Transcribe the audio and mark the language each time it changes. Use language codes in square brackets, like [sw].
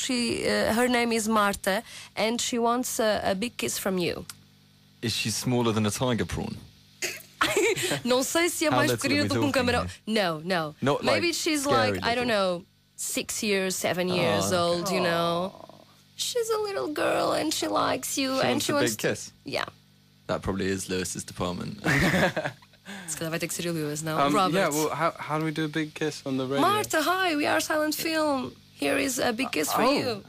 [en] Her name is Marta and she wants a big kiss from you. Is she smaller than a tiger prawn? [pt] Não sei se é mais pequenina do que um camarão. [en] No. Not maybe like she's scary, little. I don't know, 6 years, 7 years old. Okay. You know, she's a little girl and she likes you she wants a big kiss. Yeah. That probably is Lewis's department. It's going to have to be Lewis now. Robert. Yeah, well, how do we do a big kiss on the radio? Marta, hi, we are Silent Film. Here is a big kiss for you.